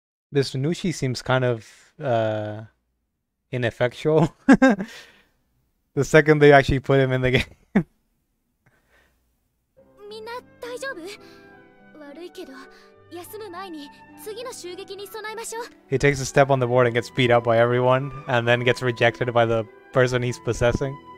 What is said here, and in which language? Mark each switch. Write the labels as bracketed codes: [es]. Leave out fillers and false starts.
[en] This Nushi seems kind of ineffectual the second they actually put him in the game. [ja] Minna, 大丈夫? 悪いけど、休む前に次の襲撃に備えましょう。 [en] He takes a step on the board and gets beat up by everyone, and then gets rejected by the person he's possessing.